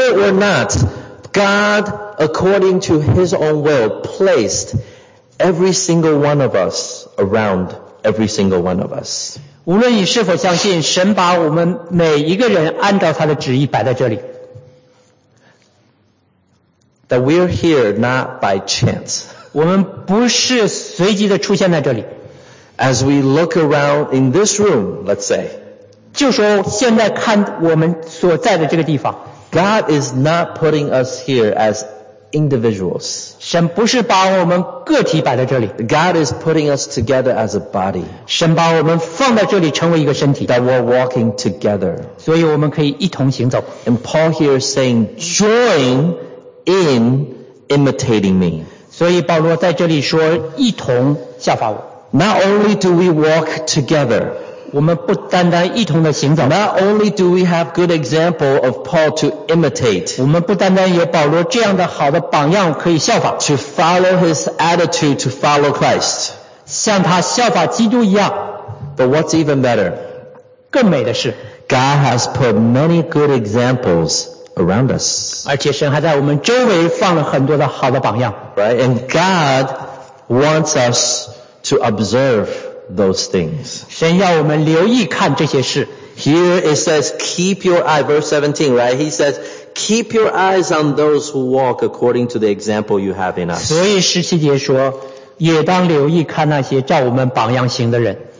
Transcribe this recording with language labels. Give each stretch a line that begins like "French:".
English: it or not, God according to His own will placed every single one of us around every single one of us.
Chinese: 无论你是否相信, 神把我们每一个人按照他的旨意摆在这里,
English: that we are here not by chance.
Chinese: 我们不是随机的出现在这里,
English: as we look around in this room, let's say,
Chinese: 就说现在看我们所在的这个地方,
English: God is not putting us here as individuals.
Chinese: 神不是把我们个体摆在这里,
English: God is putting us together as a body.
Chinese: 神把我们放在这里成为一个身体,
English: that we're walking together.
Chinese: 所以我们可以一同行走。
English: And Paul here is saying, join in imitating me.
Chinese: 所以保罗在这里说一同效法我。
English: Not only do we walk together,
Chinese: 我们不单单一同的行走,
English: not only do we have good example of Paul to imitate,
Chinese: 我们不单单有保罗这样的好的榜样可以效法,
English: to follow his attitude to follow Christ,
Chinese: 像他效法基督一样,
English: but what's even better,
Chinese: 更美的是,
English: God has put many good examples around us,
Chinese: 而且神还在我们周围放了很多的好的榜样,
English: right? And God wants us to observe those things.
Chinese: 神要我们留意看这些事。
English: Here it says, keep your eye, verse 17, right? He says, keep your eyes on those who walk according to the example you have in us.
Chinese: 所以17节说, 也当留意看那些照我们榜样行的人。